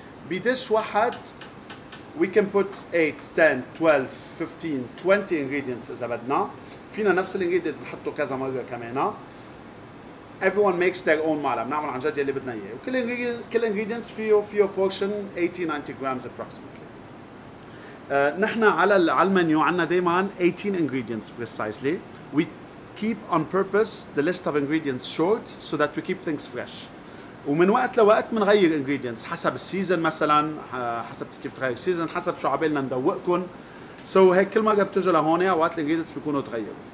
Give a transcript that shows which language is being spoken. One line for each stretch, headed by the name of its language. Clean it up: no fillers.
Arabic: بدش واحد
English: we can put 8 10 12 15 20 ingredients
Arabic: إذا بدنا فينا نفس الانجريدينت نحطه كذا مرة كمان.
English: Everyone makes their own mala
Arabic: بنعمل عن جد اللي بدنا اياه وكل ingredients فيه
English: portion 80 90 grams approximately.
Arabic: نحن على المنيو عندنا دائما 18 ingredients
English: precisely. We keep on purpose the list of ingredients short so that we keep things fresh.
Arabic: ومن وقت لوقت منغير ingredients حسب السيزن مثلا حسب كيف تغير السيزن حسب شو عبالنا ندوقكم. So هيك كل ما بتجوا لهون اوقات الانجريدينتس بيكونوا تغير.